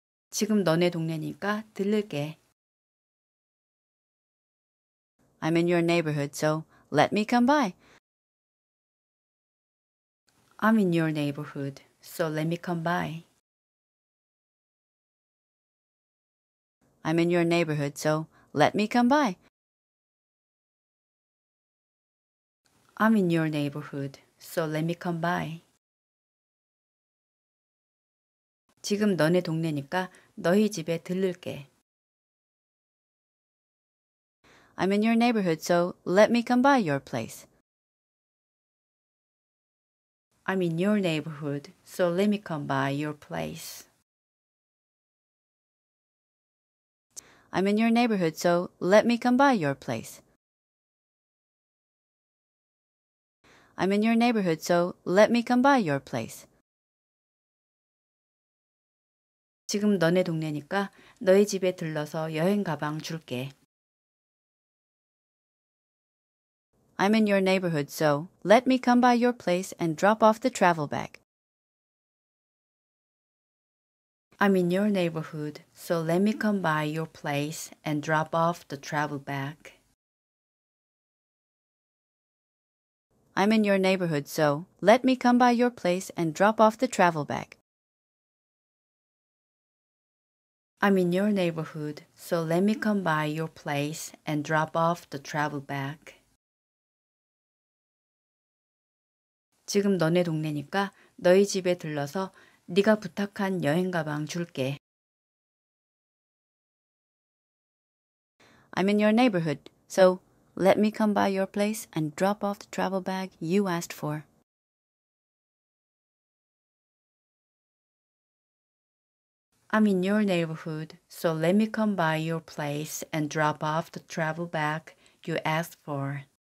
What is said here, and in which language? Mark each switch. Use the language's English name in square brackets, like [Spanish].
[Korean] 지금 너네 동네니까 들를게. [English] I'm in your neighborhood, so let me come by. I'm in your neighborhood. So let me come by. I'm in your neighborhood, so let me come by. I'm in your neighborhood, so let me come by. [Korean] 지금 너네 동네니까 너희 집에 들를게. [English] I'm in your neighborhood, so let me come by your place. I'm in your neighborhood, so let me come by your place. I'm in your neighborhood, so let me come by your place. I'm in your neighborhood, so let me come by your place. [Korean] 지금 너네 동네니까 너희 집에 들러서 여행 가방 줄게. [English] I'm in your neighborhood, so let me come by your place and drop off the travel bag. I'm in your neighborhood, so let me come by your place and drop off the travel bag. I'm in your neighborhood, so let me come by your place and drop off the travel bag. I'm in your neighborhood, so let me come by your place and drop off the travel bag. [Korean] 지금 너네 동네니까 너희 집에 들러서 네가 부탁한 여행 가방 줄게. [English] I'm in your neighborhood, so let me come by your place and drop off the travel bag you asked for. I'm in your neighborhood, so let me come by your place and drop off the travel bag you asked for.